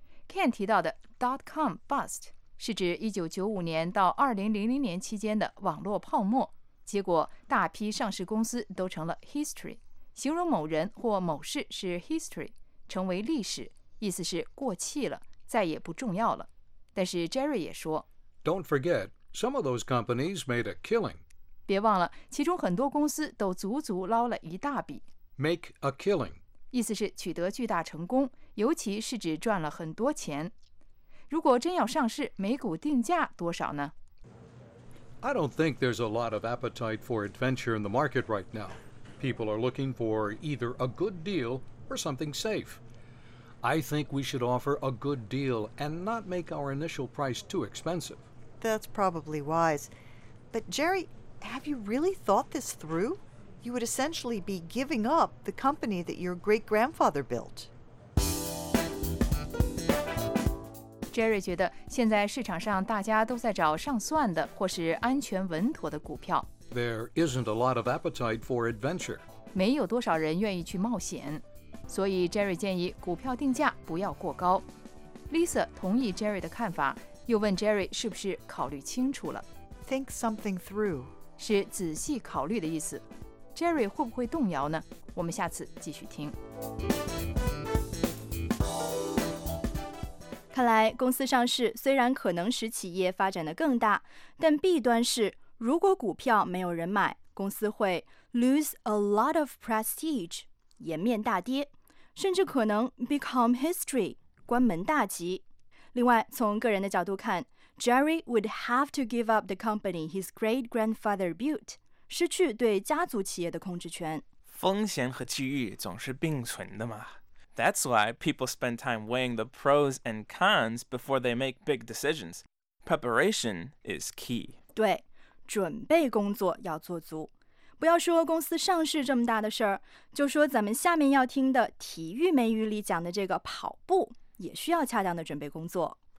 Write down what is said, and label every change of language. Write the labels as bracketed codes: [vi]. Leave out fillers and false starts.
[zh] Ken 提到的 .com bust 是指1995年到2000年期间的网络泡沫，结果大批上市公司都成了 history， 形容某人或某事是 history， 成为历史，意思是过气了，再也不重要了。但是 Jerry 也说 [en] ，Don't forget, some of those companies made a killing. [zh] 别忘了，其中很多公司都足足捞了一大笔。 [en] Make a killing， [zh] 意思是取得巨大成功，尤其是指赚了很多钱。如果真要上市，每股定价多少呢 [en] ？I don't think there's a lot of appetite for adventure in the market right now. People are looking for either a good deal or something safe. I think we should offer a good deal and not make our initial price too expensive. That's probably wise. But Jerry, have you really thought this through? You would essentially be giving up the company that your great-grandfather built. [zh] Jerry 觉得现在市场上大家都在找上算的或是安全稳妥的股票。 [en] There isn't a lot of appetite for adventure. [zh] 没有多少人愿意去冒险。所以 Jerry 建议股票定价不要过高。Lisa 同意 Jerry 的看法，又问 Jerry 是不是考虑清楚了。 [en] Think something through [zh] 是仔细考虑的意思。Jerry 会不会动摇呢？我们下次继续听。看来公司上市虽然可能使企业发展得更大，但弊端是如果股票没有人买，公司会 [en] lose a lot of prestige。 [zh] 颜面大跌，甚至可能 [en] become history， [zh] 关门大吉。另外，从个人的角度看 ， [en] Jerry would have to give up the company his great grandfather built， [zh] 失去对家族企业的控制权。风险和机遇总是并存的嘛。 [en] That's why people spend time weighing the pros and cons before they make big decisions. Preparation is key. [zh] 对，准备工作要做足。不要说公司上市这么大的事儿，就说咱们下面要听的体育美语里讲的这个跑步，也需要恰当的准备工作。